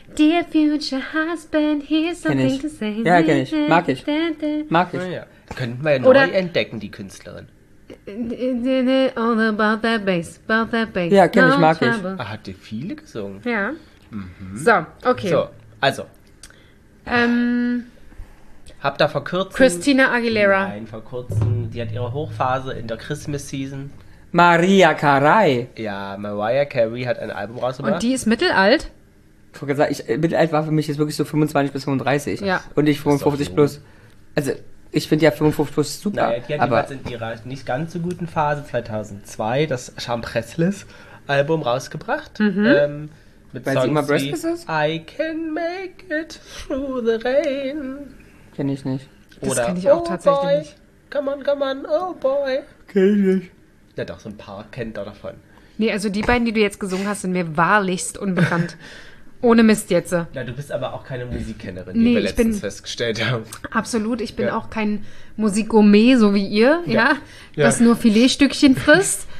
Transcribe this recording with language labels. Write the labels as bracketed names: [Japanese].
[English] Dear future husband, here's something to say. [German] Ja, kenn ich. Mag ich. Mag ich. Ja, ja. Könnten wir ja neu entdecken, die Künstlerin. [English] All about that bass, about that bass. [German] Ja, kenn ich, mag ich. Ah, hat die viele gesungen? Ja. Mhm. So, okay. So, also. Hab da vor kurzem... Christina Aguilera. Nein, vor kurzem. Die hat ihre Hochphase in der Christmas-Season. Mariah Carey. Ja, Mariah Carey hat ein Album rausgebracht. Und die ist mittelalt? Ich wollte gesagt, mittelalt war für mich jetzt wirklich so 25 bis 35. Ja. Und ich 55 plus. Also, ich finde ja 55 plus super. Naja, die hat jedenfalls in ihrer nicht ganz so guten Phase 2002 das Champressless-Album rausgebracht. Mhm. Mit Songs immer Breastpieces ist? [English] I can make it through the rain. [German] Kenn ich nicht. Oder das kenn ich auch tatsächlich nicht. [English] Come on, come on, oh boy. [German] Kenn ich nicht. Ja doch, so ein paar kennt er davon. Nee, also die beiden, die du jetzt gesungen hast, sind mir wahrlichst unbekannt. Ohne Mist jetzt. Ja, du bist aber auch keine Musikkennerin, wie wir letztens festgestellt haben. Absolut, ich bin auch kein Musikgourmet, so wie ihr, das nur Filetstückchen frisst.